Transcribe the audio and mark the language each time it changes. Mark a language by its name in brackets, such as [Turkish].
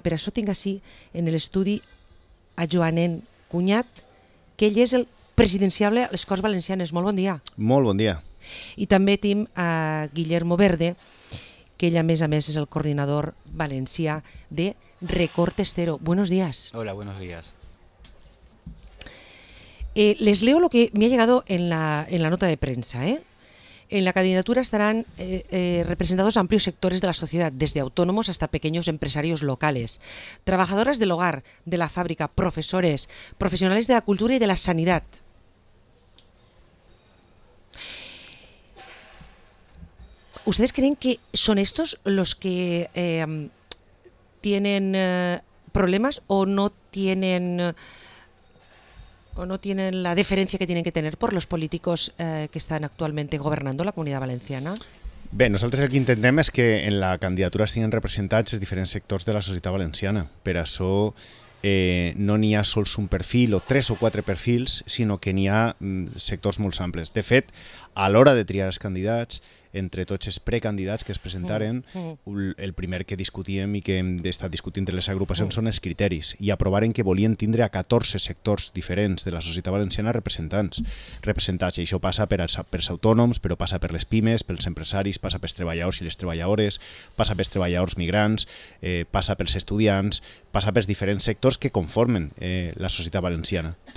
[Catalan] Per això tinc així en l'estudi a Joanen Cunyat, que ell és el presidenciable a les Corts Valencianes. Molt bon dia. Molt bon dia. I també tinc a Guillermo Verde, que ella a més és el coordinador valencià de Recortes Zero. [Spanish] Buenos días. Hola, buenos días. Les leo lo que me ha llegado en la nota de prensa. En la candidatura estarán representados amplios sectores de la sociedad, desde autónomos hasta pequeños empresarios locales, trabajadoras del hogar, de la fábrica, profesores, profesionales de la cultura y de la sanidad. ¿Ustedes creen que son estos los que tienen problemas o no tienen la deferencia que tienen que tener por los políticos que están actualmente gobernando la Comunidad Valenciana? [Catalan] Bé, nosaltres el que intentem és que en la candidatura estiguin representats els diferents sectors de la societat valenciana. Per això no n'hi ha sols un perfil o tres o quatre perfils, sinó que n'hi ha sectors molt amples. De fet, a l'hora de triar els candidats, entre tots els precandidats que es presentaren, el primer que discutíem i que hem estat discutint entre les agrupacions són els criteris, i aprovaren que volien tindre a 14 sectors diferents de la societat valenciana representats. I això passa pels autònoms, però passa per les pimes, pels empresaris, passa pels treballadors i les treballadores, passa pels treballadors migrants, passa pels estudiants, passa pels diferents sectors que conformen la societat valenciana.